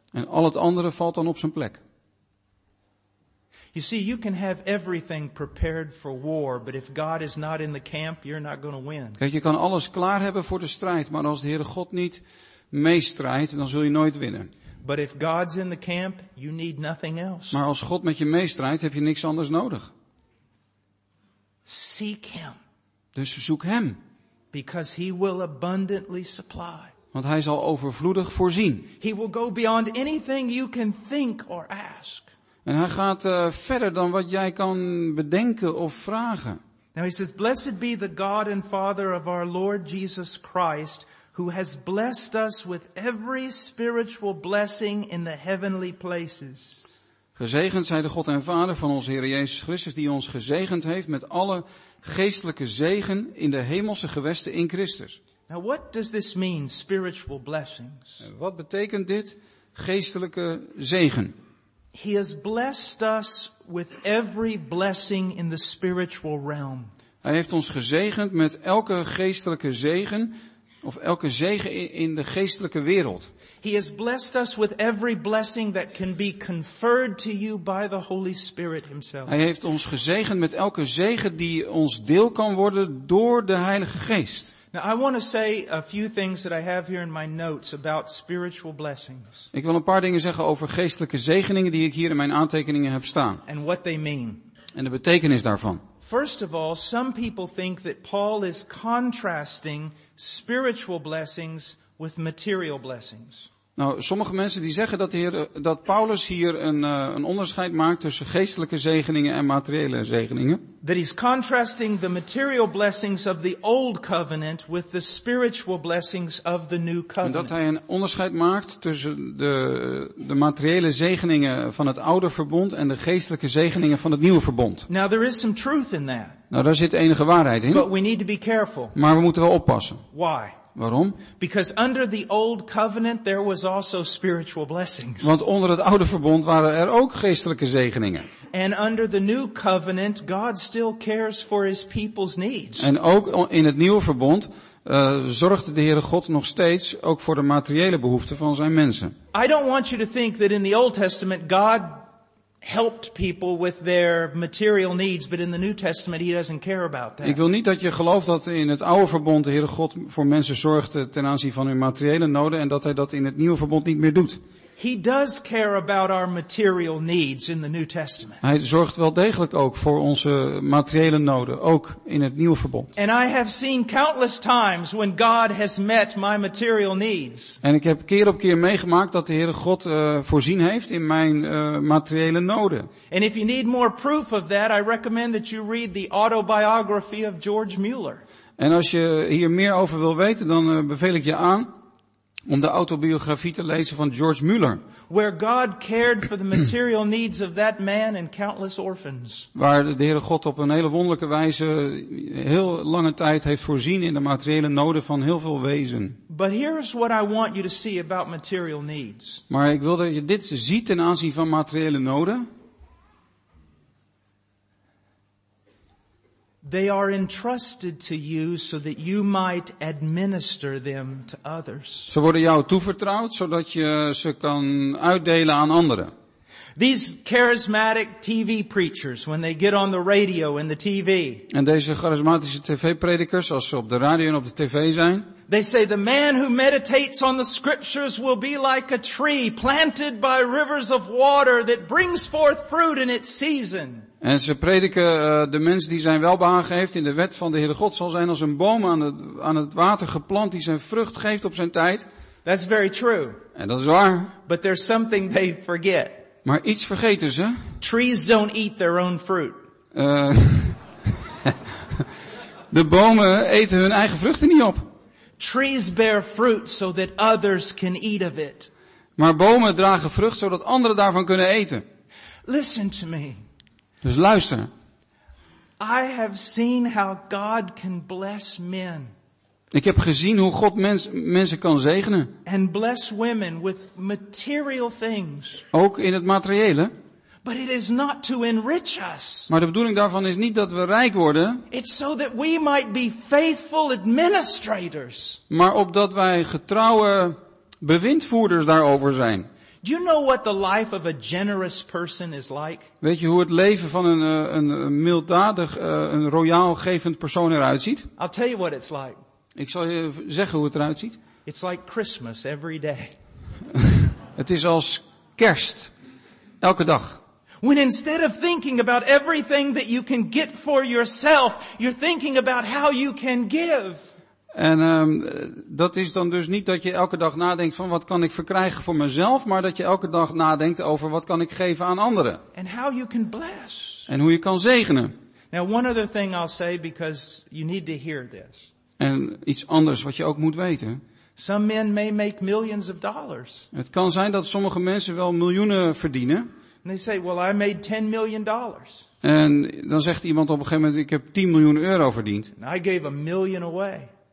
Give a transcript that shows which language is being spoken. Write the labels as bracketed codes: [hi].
[nl] En al het andere valt dan op zijn plek. [en] You see, you can have everything prepared for war, but if God is not in the camp, you're not going to win. [nl] Kijk, je kan alles klaar hebben voor de strijd, maar als de Heere God niet meestrijdt, dan zul je nooit winnen. [en] But if God's in the camp, you need nothing else. [nl] Maar als God met je meestrijdt, heb je niks anders nodig. [en] Seek him. [nl] Dus zoek hem. [en] Because he will abundantly supply. [nl] Want hij zal overvloedig voorzien. [en] He will go beyond anything you can think or ask. [nl] En hij gaat verder dan wat jij kan bedenken of vragen. [en] Now he says, blessed be the God and Father of our Lord Jesus Christ, who has blessed us with every spiritual blessing in the heavenly places. [nl] Gezegend zij de God en Vader van onze Heer Jezus Christus, die ons gezegend heeft met alle geestelijke zegen in de hemelse gewesten in Christus. [en] Now what does this mean, spiritual blessings? [nl] Wat betekent dit, geestelijke zegen? [en] He has blessed us with every blessing in the spiritual realm. [nl] Hij heeft ons gezegend met elke geestelijke zegen of elke zegen in de geestelijke wereld. [en] He has blessed us with every blessing that can be conferred to you by the Holy Spirit himself. [nl] Hij heeft ons gezegend met elke zegen die ons deel kan worden door de Heilige Geest. [en] Now I want to say a few things that I have here in my notes about spiritual blessings. [nl] Ik wil een paar dingen zeggen over geestelijke zegeningen die ik hier in mijn aantekeningen heb staan. [en] And what they mean. [nl] En de betekenis daarvan. [en] First of all, some people think that Paul is contrasting spiritual blessings with material blessings. [nl] Nou, sommige mensen die zeggen dat, dat Paulus hier een onderscheid maakt tussen geestelijke zegeningen en materiële zegeningen. [en] That he's contrasting the material blessings of the old covenant with the spiritual blessings of the new covenant. [nl] En dat hij een onderscheid maakt tussen de materiële zegeningen van het oude verbond en de geestelijke zegeningen van het nieuwe verbond. [en] Now there is some truth in that. [nl] Nou, daar zit enige waarheid in. [en] But we need to be careful. [nl] Maar we moeten wel oppassen. [en] Why? [nl] Waarom? [en] Because under the old covenant there was also spiritual blessings. [nl] Want onder het oude verbond waren er ook geestelijke zegeningen. [en] And under the new covenant God still cares for his people's needs. [nl] En ook in het nieuwe verbond zorgde de Heere God nog steeds ook voor de materiële behoeften van zijn mensen. [en] I don't want you to think that in the Old Testament God helped people with their material needs, but in the New Testament he doesn't care about that. [nl] Ik wil niet dat je gelooft dat in het oude verbond de Heere God voor mensen zorgde ten aanzien van hun materiële noden en dat hij dat in het nieuwe verbond niet meer doet. [en] He does care about our material needs in the New Testament. [nl] Hij zorgt wel degelijk ook voor onze materiële noden, ook in het nieuwe verbond. [en] And I have seen countless times when God has met my material needs. [nl] En ik heb keer op keer meegemaakt dat de Heere God voorzien heeft in mijn materiële noden. [en] And if you need more proof of that, I recommend that you read the autobiography of George Mueller. [nl] En als je hier meer over wil weten, dan beveel ik je aan om de autobiografie te lezen van George Mueller. [en] Where God cared for the material needs of that man and countless orphans. [nl] Waar de Heere God op een hele wonderlijke wijze heel lange tijd heeft voorzien in de materiële noden van heel veel wezen. [en] But here's what I want you to see about material needs. [nl] Maar ik wil dat je dit ziet ten aanzien van materiële noden. [en] They are entrusted to you so that you might administer them to others. [nl] Ze worden jou toevertrouwd zodat je ze kan uitdelen aan anderen. [en] These charismatic TV preachers, when they get on the radio and the TV. [nl] En deze charismatische tv-predikers, als ze op de radio en op de tv zijn. [en] They say the man who meditates on the scriptures will be like a tree planted by rivers of water that brings forth fruit in its season. [nl] En ze prediken, de mens die zijn welbehagen heeft in de wet van de Heere God zal zijn als een boom aan het water geplant die zijn vrucht geeft op zijn tijd. [en] That's very true. [nl] En dat is waar. [en] But there's something they forget. [nl] Maar iets vergeten ze. [en] Trees don't eat their own fruit. [nl] De bomen eten hun eigen vruchten niet op. [en] Trees bear fruit so that others can eat of it. [nl] Maar bomen dragen vrucht zodat anderen daarvan kunnen eten. [en] Listen to me. [nl] Dus luister. [en] I have seen how God can bless men. [nl] Ik heb gezien hoe God mensen kan zegenen. [en] And bless women with material things. [nl] Ook in het materiële. [en] But it is not to enrich us. [nl] Maar de bedoeling daarvan is niet dat we rijk worden. [en] It's so that we might be faithful administrators. [nl] Maar opdat wij getrouwe bewindvoerders daarover zijn. [en] Do you know what the life of a generous person is like? [nl] Weet je hoe het leven van een milddadig, een royaal gevend persoon eruit ziet? [en] I'll tell you what it's like. [nl] Ik zal je zeggen hoe het eruit ziet. [en] It's like Christmas every day. [nl] Het is als kerst. Elke dag. [en] When instead of thinking about everything that you can get for yourself, you're thinking about how you can give. [nl] En dat is dan dus niet dat je elke dag nadenkt van wat kan ik verkrijgen voor mezelf, maar dat je elke dag nadenkt over wat kan ik geven aan anderen. [en] And how you can bless. [nl] En hoe je kan zegenen. [en] Now one other thing I'll say because you need to hear this. [nl] En iets anders wat je ook moet weten. [en] Some men may make millions of dollars. [nl] Het kan zijn dat sommige mensen wel miljoenen verdienen. [en] And they say, well, I made $10 million. [nl] En dan zegt iemand op een gegeven moment, ik heb 10 miljoen euro verdiend. [en] And I gave a million away.